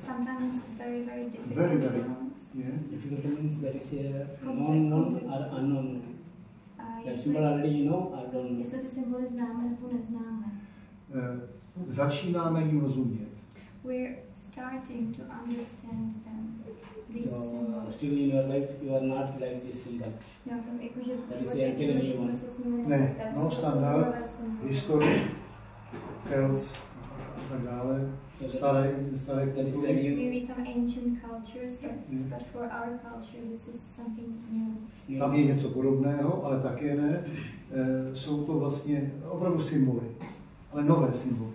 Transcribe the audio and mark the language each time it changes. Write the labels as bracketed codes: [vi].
[en] Sometimes very very difficult. Very very. Yeah. Difficult means that is a unknown or unknown. Symbol already you know, I don't know. [cs] Jestli ty symboly známe nebo neznáme. Začínáme jim rozumět. [en] We're starting to understand them. These symbols. Still in your life, you are not like this symbol. [cs] No, jakože v životě jsme se s nimi ne. No, [en] standard, history, cults, [cs] a tak dále. Staré kultury. [en] Maybe some ancient cultures, but for our culture this is something new. [cs] Tam je něco podobného, ale také ne. Jsou to vlastně opravdu symboly, ale nové symboly.